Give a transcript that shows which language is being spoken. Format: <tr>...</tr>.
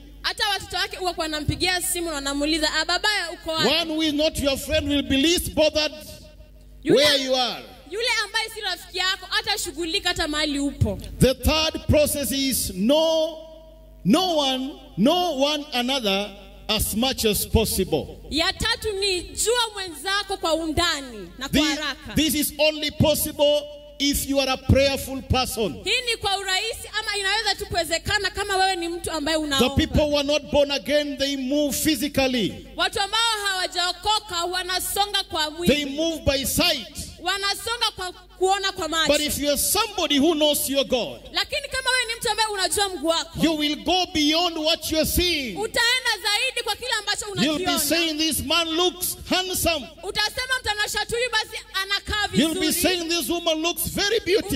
<sw>Hata watoto wake huwa wanampigia simu na wanamuuliza, "Ah, baba uko wapi?"</sw> <en>One who is not your friend will be least bothered where you are.</en> <sw>Yule ambaye si rafiki yako atashughulika hata mahali upo.</sw> <en>The third process is know one another as much as possible.</en> <sw>Ya tatu ni jua mwenzako kwa undani na kwa haraka.</sw> <en>This is only possible if you are a prayerful person.</en> <sw>Hii ni kwa urahisi ama inaweza tu kuwezekana kama wewe ni mtu ambaye unaomba.</sw> <en>The people who are not born again, they move physically.</en> <sw>Watu ambao hawajaokoka wanasonga kwa mwili.</sw> <en>They move by sight.</en> <sw>Wanasonga kwa kuona kwa macho.</sw> <en>But if you are somebody who knows your God.</en> <sw>Lakini kama wewe ni mtu ambaye unajua Mungu wako.</sw> <en>You will go beyond what you are seeing.</en> <sw>Utaenda zaidi kwa kila ambacho unakiona.</sw> <en>You'll be saying this man looks handsome.</en> <sw>Utasema mtanashati huyu basi anakaa vizuri.</sw> <en>You'll be saying this woman looks very beautiful.</en>